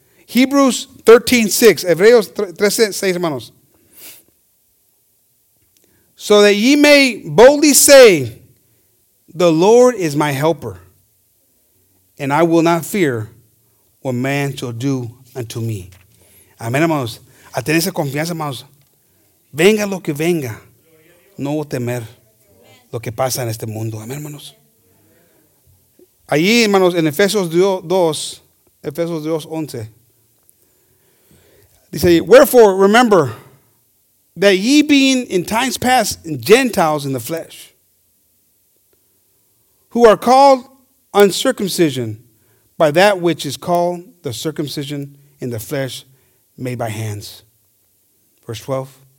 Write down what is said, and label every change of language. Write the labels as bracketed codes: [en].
[en] Hebrews 13:6. [es] Hebreos 13:6, hermanos. [en] So that ye may boldly say, the Lord is my helper, and I will not fear what man shall do unto me. [es] Amén, hermanos. A tener esa confianza, hermanos. Venga lo que venga, no temer lo que pasa en este mundo. Amén, hermanos. Allí, hermanos, en Efesios 2:11, dice, [en] wherefore, remember that ye being in times past Gentiles in the flesh, who are called uncircumcision by that which is called the circumcision in the flesh made by hands. Verse 12.